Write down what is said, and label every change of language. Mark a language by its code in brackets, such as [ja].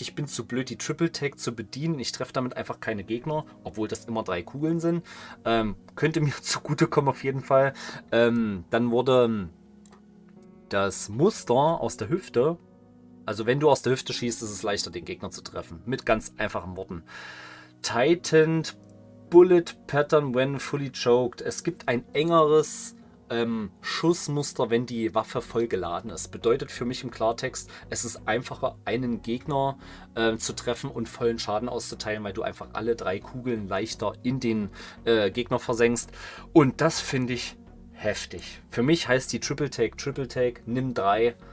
[de] Ich bin zu blöd, die Triple Tag zu bedienen. Ich treffe damit einfach keine Gegner, obwohl das immer drei Kugeln sind. Könnte mir zugutekommen auf jeden Fall. Dann wurde das Muster aus der Hüfte, also wenn du aus der Hüfte schießt, ist es leichter, den Gegner zu treffen. Mit ganz einfachen Worten. [en] Tightened Bullet Pattern when fully choked. [de] Es gibt ein engeres Schussmuster, wenn die Waffe voll geladen ist. Bedeutet für mich im Klartext, es ist einfacher, einen Gegner zu treffen und vollen Schaden auszuteilen, weil du einfach alle drei Kugeln leichter in den Gegner versenkst. Und das finde ich heftig. Für mich heißt die Triple Take, Triple Take, nimm drei.